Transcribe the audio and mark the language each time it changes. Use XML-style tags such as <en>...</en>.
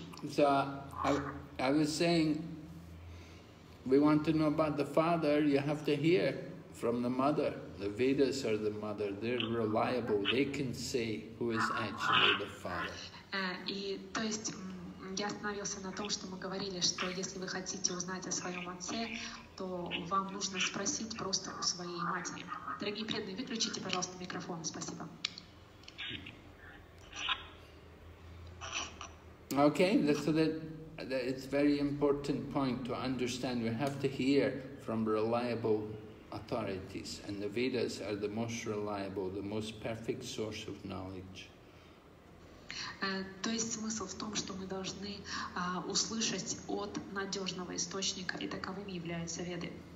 <en>So I was saying, we want to know about the father. You have to hear from the mother. The Vedas are the mother. They're reliable. They can say who is actually the father.</en> <ru>Я остановился на том, что мы говорили, что если вы хотите узнать о своем отце, то вам нужно спросить просто у своей матери. Дорогие преданные, выключите, пожалуйста, микрофон. Спасибо.</ru> <en>Okay, so that it's very important point to understand. We have to hear from reliable authorities, and the Vedas are the most reliable, the most perfect source of knowledge.</en> <ru>То есть смысл в том, что мы должны услышать от надежного источника, и таковыми являются Веды.</ru>